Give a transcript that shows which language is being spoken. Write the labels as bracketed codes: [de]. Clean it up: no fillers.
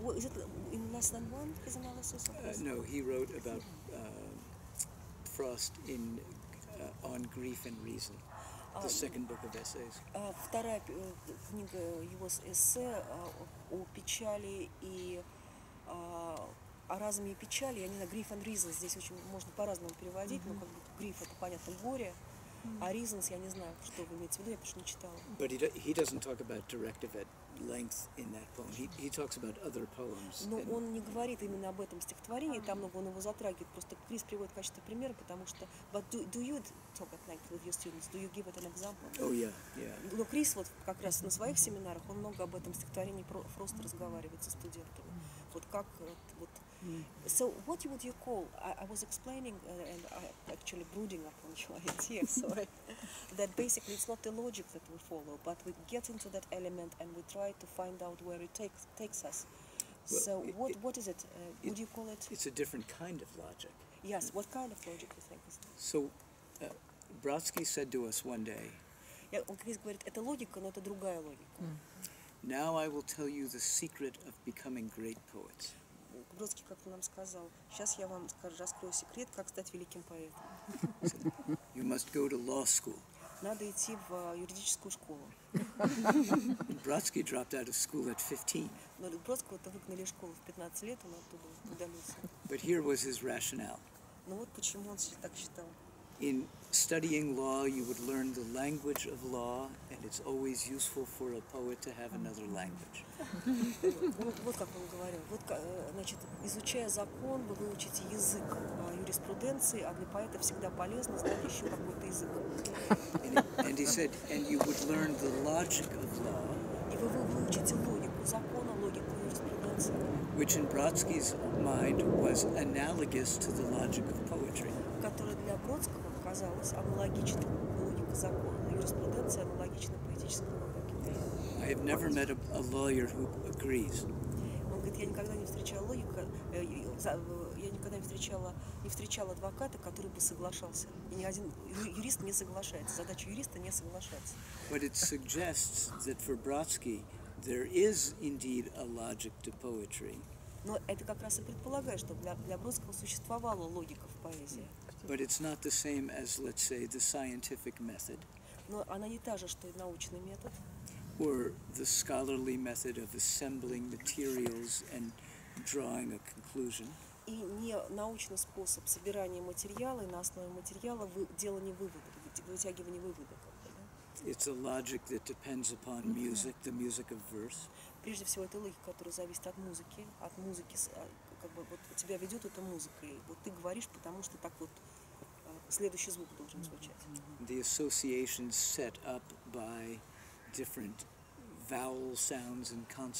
[en] Is it in less than one his analysis? No, he wrote about Frost in On Grief and Reason, the second book of essays. [ru] Вторая книга его эссе о печали и... о разуме и печали, я не знаю, Grief and Reason здесь очень можно по-разному переводить, но как бы Grief — это, понятно, горе, А reasons, я не знаю, что вы имеете в виду, я просто не читала. [en] But he doesn't talk about directive at length in that poem. He talks about other poems. [ru] Но он не говорит именно об этом стихотворении, там много он его затрагивает. Просто Крис приводит качество примера, потому что [en] but do you talk at length with your students? Do you give it an example? Oh yeah. [ru] Но Крис вот как раз на своих семинарах он много об этом стихотворении просто разговаривает со студентами. Вот как вот. [en] So what would you call? I was explaining and I actually brooding upon your idea, sorry. That basically it's not the logic that we follow, but we get into that element and we try to find out where it takes us. Well, so what is it? Would you call it? It's a different kind of logic. Yes. What kind of logic do you think is it? So, Brodsky said to us one day. [ru] Yeah, он как-то говорит, это логика, но это другая логика. [en] Now I will tell you the secret of becoming great poets. [ru] Бродский как-то нам сказал, сейчас я вам скажу, раскрою секрет, как стать великим поэтом. [en] You must go to law school. [ru] Надо идти в юридическую школу. [en] Бродский dropped out of school at 15. [ru] Но Бродского-то выгнали из школы в 15 лет, он оттуда удалился. [en] But here was his rationale. [ru] Ну вот почему он так считал. [en] In studying law, you would learn the language of law, and it's always useful for a poet to have another language. [ru] Вот как он говорил. Вот, значит, изучая закон, вы выучите язык юриспруденции, а для поэта всегда полезно знать еще какой-то язык. [en] And he said, and you would learn the logic of law. [ru] И вы выучите логику закона, логику юриспруденции. [en] Which in Brodsky's mind was analogous to the logic of poetry. [ru] Которая для Бродского казалась аналогичной логике закона, юриспруденции аналогичной поэтической логике. [en] I have never met a lawyer who agrees. [ru] Он говорит, я никогда не встречала адвоката, который бы соглашался. И ни один юрист не соглашается. Задача юриста не соглашаться. [en] But it suggests that for Brodsky there is indeed a logic to poetry. [ru] Но это как раз и предполагает, что для Бродского существовала логика в поэзии. [en] But it's not the same as, let's say, the scientific method. [ru] Но она не та же, что и научный метод. [en] Or the scholarly method of assembling materials and drawing a conclusion. [ru] И не научный способ собирания материала и на основе материала делание вывода, вытягивание вывода. [en] It's a logic that depends upon music, the music of verse. [ru] Прежде всего, это логика, которая зависит от музыки, как бы вот тебя ведет эта музыка, и вот ты говоришь, потому что так вот следующий звук должен звучать. [en] The associations set up by different vowel sounds and consonants.